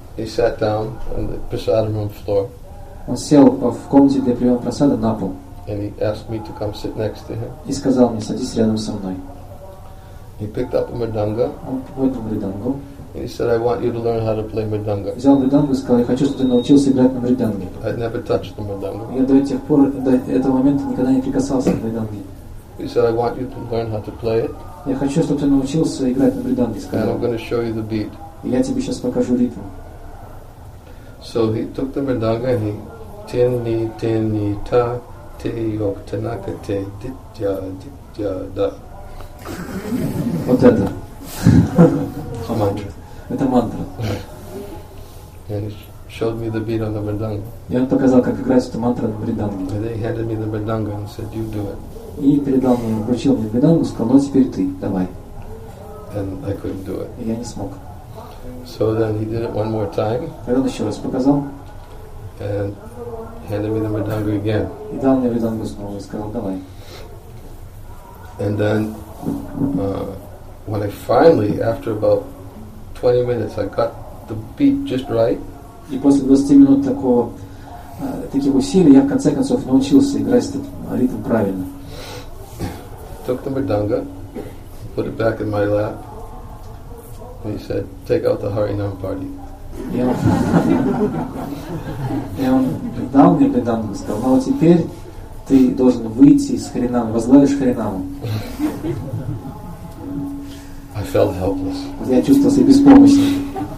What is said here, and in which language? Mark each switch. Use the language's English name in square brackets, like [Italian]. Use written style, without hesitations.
[English] He sat down on the prasadam room floor. [Russian] Он сел в комнате для приема просада на пол. [English] And he asked me to come sit next to him. [Russian] И сказал мне: садись рядом со мной. [English] He picked up a мриданга. [Russian] Он поднял мридангу. [English] And he said, I want you to learn how to play mridanga. [Russian] Взял мридангу и сказал: я хочу, чтобы ты научился играть на мриданге. [English] I'd never touched the mridanga. [Russian] Я до тех пор, до этого момента, никогда не прикасался к мриданге. [English] He said, I want you to learn how to play it. [Russian] Я хочу, чтобы ты научился играть на мриданге. [English] And I'm going to show you the beat. [Russian] Я тебе сейчас покажу ритм. [English] So he took the mridanga and he tin ni tin ni ta te yok tanaka te ditya ditya da. [Russian] Вот это. А мантра. Это мантра. [English] And he showed me the beat on the mridanga. [Russian] И он показал, как играть эту мантру на мриданге. [English] And then he handed me the mridanga and said, you do it. [Russian] И передал мне, вручил мне мридангу, сказал: ну теперь ты, давай. [English] And I couldn't do it. [Russian] И я не смог. [English] So then he did it one more time. [Russian] Потом он еще раз показал. [English] And handed me the mridanga again. [Russian] И дал мне мридангу снова и сказал: давай. [English] And then, when I finally, after about 20 minutes, I got the beat just right. [Russian] И после 20 минут таких усилий я в конце концов научился играть этот ритм правильно. [English] Took the mridanga, put it back in my lap. He said, take out the Harinam party. [Russian] И он дал мне мридангу и сказал: ну теперь ты должен выйти из Харинама, возглавишь Харинаму. [English] I felt helpless. [Russian] Я чувствовал себя беспомощным.